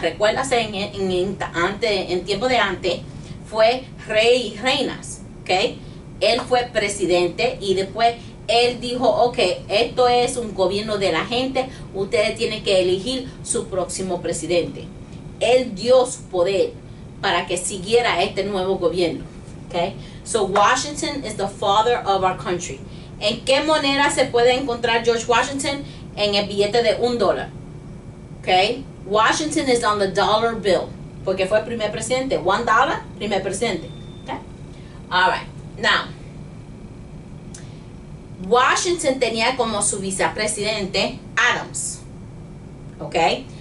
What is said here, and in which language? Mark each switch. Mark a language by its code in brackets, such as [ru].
[es] Recuérdase, en tiempo de antes, fue rey y reinas, okay? Él fue presidente y después él dijo, okay, esto es un gobierno de la gente, ustedes tienen que elegir su próximo presidente. Él dio su poder para que siguiera este nuevo gobierno, okay? [en] So Washington is the father of our country. [es] ¿En qué moneda se puede encontrar George Washington? En el billete de $1. [en] Okay? Washington is on the dollar bill. [es] Porque fue primer presidente. $1, primer presidente. Okay? All right. Now, Washington tenía como su vicepresidente Adams. Okay?